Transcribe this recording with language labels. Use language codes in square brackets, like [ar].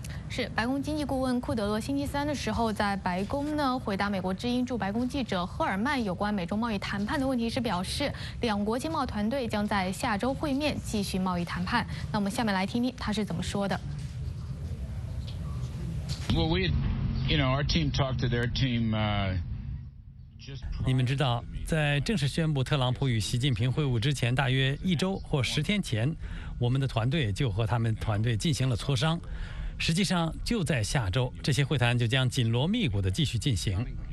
[zh] 是，白宫经济顾问库德洛星期三的时候在白宫呢回答美国之音驻白宫记者赫尔曼有关美中贸易谈判的问题时表示，两国经贸团队将在下周会面继续贸易谈判。那我们下面来听听他是怎么说的。 [en] Well, we, you know, our team talked to their team, [zh] 你们知道，在正式宣布特朗普与习近平会晤之前，大约一周或十天前，我们的团队就和他们团队进行了磋商。实际上，就在下周，这些会谈就将紧锣密鼓地继续进行。